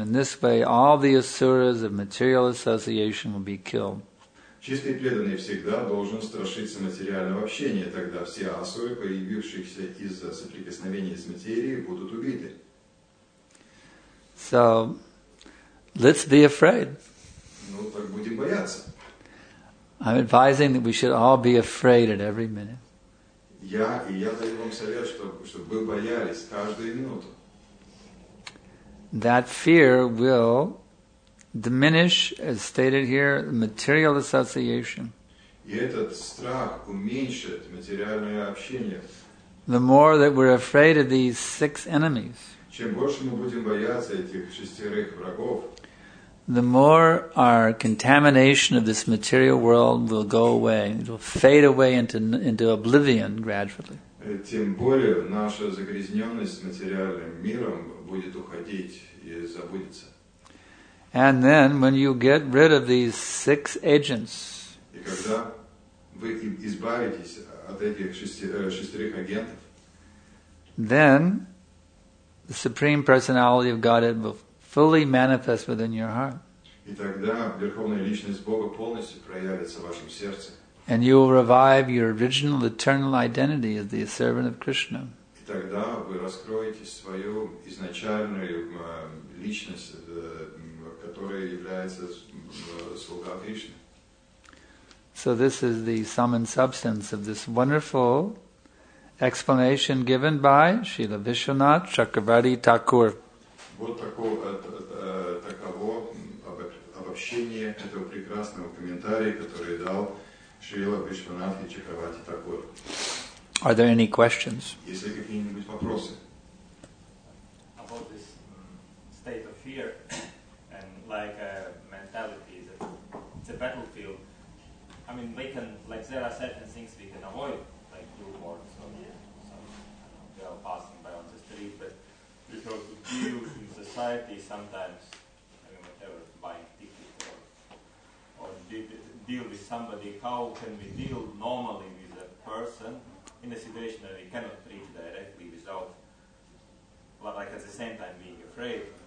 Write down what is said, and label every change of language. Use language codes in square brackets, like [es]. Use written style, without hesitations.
[en] In this way, all the asuras of material association will be killed. [ru] Чистый преданный всегда должен страшиться материального общения, тогда все асуры, появившиеся из-за соприкосновения с материей, будут убиты. [en] So, let's be afraid. [ru] Ну, так будем бояться. [en] I'm advising that we should all be afraid at every minute. [ru] Я даю вам совет, чтобы вы боялись каждую минуту. [en] That fear will diminish, as stated here, material association. [ru] И этот страх уменьшит материальное общение. [en] The more that we're afraid of these six enemies, [ru] чем больше мы будем бояться этих шестерых врагов, [en] the more our contamination of this material world will go away. It will fade away into oblivion gradually. [ru] Тем более наша загрязненность материальным миром будет уходить и забудется. [en] And then, when you get rid of these six agents, [ru] и когда вы избавитесь от этих шестерых агентов, [en] then the Supreme Personality of Godhead will fully manifest within your heart. [ru] И тогда Верховная Личность Бога полностью проявится в вашем сердце. [en] And you will revive your original eternal identity as the servant of Krishna. [ru] И тогда вы раскроете свою изначальную личность, которая является слуга Кришны. [en] So this is the sum and substance of this wonderful explanation given by Srila Vishwanath Chakravarti Thakur. [ru] Вот таково обобщение этого прекрасного комментария, который дал Шрила Вишванатхи Чакравати Такур. [en] Are there any questions? [ru] Есть ли какие-нибудь вопросы? [en] About this state of fear and like a mentality that it's a battlefield. I mean, we can, like there are certain things we can avoid, like you or some girl passing by on the street, but because you society sometimes, I mean, whatever, buying tickets or deal with somebody, how can we deal normally with a person in a situation that we cannot reach directly without, but like at the same time being afraid?